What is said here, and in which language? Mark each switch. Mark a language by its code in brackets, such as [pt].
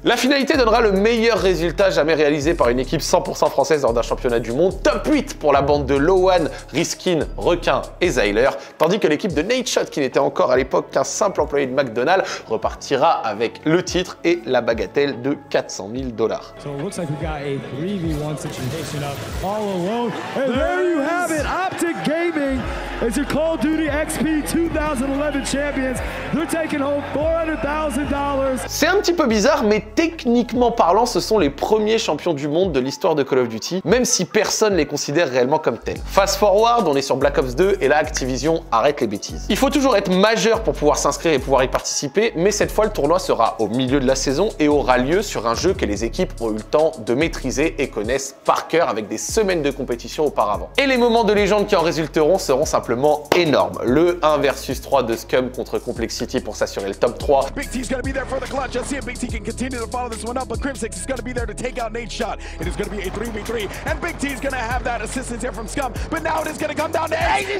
[fr] La finalité donnera le meilleur résultat jamais réalisé par une équipe 100% française lors d'un championnat du monde. Top 8 pour la bande de Lowan, Riskin, Requin et Zyler. Tandis que l'équipe de Nateshot, qui n'était encore à l'époque qu'un simple employé de McDonald's, repartira avec le titre et la bagatelle de 400 000 dollars. [en] So it looks like we got a 3v1 situation up all alone. And there you have it, Optic Gaming is your Call of Duty XP 2011 champions. They're taking home $400,000. [fr] C'est un petit peu bizarre, mais techniquement parlant, ce sont les premiers champions du monde de l'histoire de Call of Duty, même si personne les considère réellement comme tels. Fast forward, on est sur Black Ops 2, et là, Activision arrête les bêtises. Il faut toujours être majeur pour pouvoir s'inscrire et pouvoir y participer, mais cette fois, le tournoi sera au milieu de la saison et aura lieu sur un jeu que les équipes ont eu le temps de maîtriser et connaissent par cœur avec des semaines de compétition auparavant. Et les moments de légende qui en résulteront seront simplement énormes. Le 1 versus 3 de Scum contre Complexity pour s'assurer le top 3. [en] Big T's gonna be there for the clutch. I see if Big T can continue to follow this one up, but Crimson is gonna be there to take out Nate Shot. It is gonna be a 3v3. And Big T's gonna have that assistance here from Scum, but now it is gonna come down to Ace.